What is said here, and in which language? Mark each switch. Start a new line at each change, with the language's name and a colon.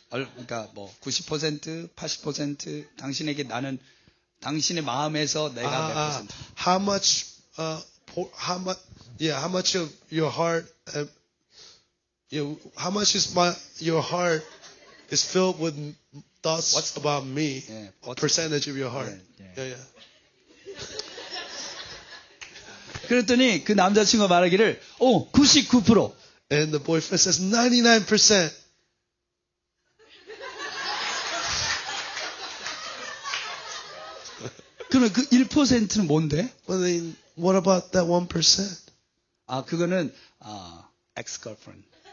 Korean: 그러니까 뭐 90%, 80%, 당신에게 나는 당신의 마음에서 내가 몇 퍼센트?
English: How much is your heart filled with thoughts about me? Yeah, percentage of your heart. Yeah.
Korean: 그랬더니 그 남자친구 말하기를 99%.
English: And the boyfriend says 99%.
Korean: 그러면 그 1%는 뭔데?
English: Well, then, what about that 1%?
Korean: 그거는 ex-girlfriend.